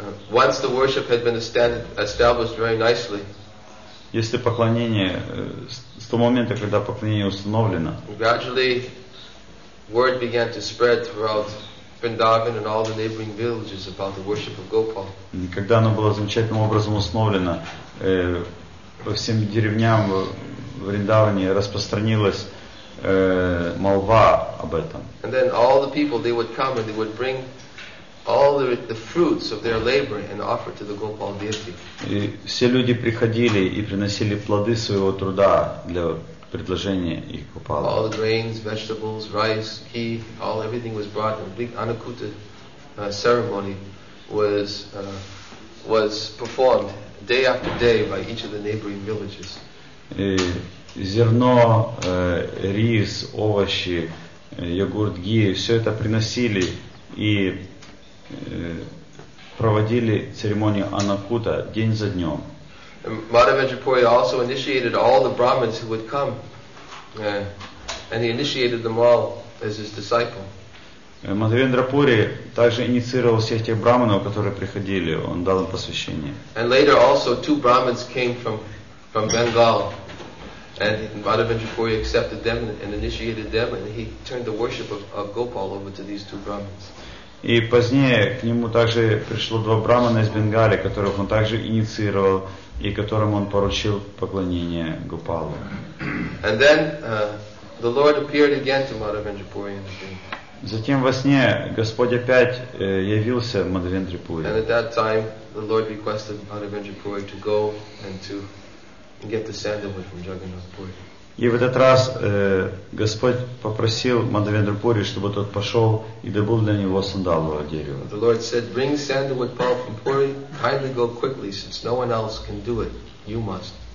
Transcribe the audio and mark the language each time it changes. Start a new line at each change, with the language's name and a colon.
English: Once the worship had been established very nicely,
Russian: если поклонение с того момента, когда поклонение установлено,
English: gradually word began to spread throughout Vrindavan and all the neighboring villages about the worship of Gopal.
Russian: Когда оно было замечательным образом установлено, по всем деревням в Вриндаване распространилась молва об этом.
English: And then all the people, they would come and they would bring all the fruits of their labor and offer to the Gopal deity.
Russian: И все люди приходили и приносили плоды своего труда для предложения их Гопала.
English: All the grains, vegetables, rice, ghee, all everything was brought. A big Anukuta ceremony was performed day after day by each of the neighboring villages.
Russian: Зерно, рис, овощи, йогурт, ги, все это приносили и проводили церемонию Анакута день за днем.
English: Madhavendrapuri also initiated all the Brahmins who would come, and he initiated them all as his disciple.
Russian: Мадхавендрапури также инициировал всех тех брахманов, которые приходили, он дал им посвящение.
English: And later also two Brahmins came from Bengal. And Madhavendrapuri accepted them and initiated them, and he turned the worship of Gopal over to these two Brahmins.
Russian: И позднее к нему также пришло два брахмана из Бенгали, которых он также инициировал и которым он поручил поклонение Гопалу.
English: And then the Lord appeared again to Madhavendrapuri.
Russian: Затем во сне Господь опять явился в Мадхавендрапури.
English: And at that time the Lord requested Madhavendrapuri to go and to get the sandalwood from Jagannath Puri.
Russian: И в этот раз Господь попросил Мадхавендрапури, чтобы тот пошел и добыл для него сандалового дерева.
English: The Lord said, bring sandalwood pulp from Puri, kindly go quickly, since no one else can do it, you must.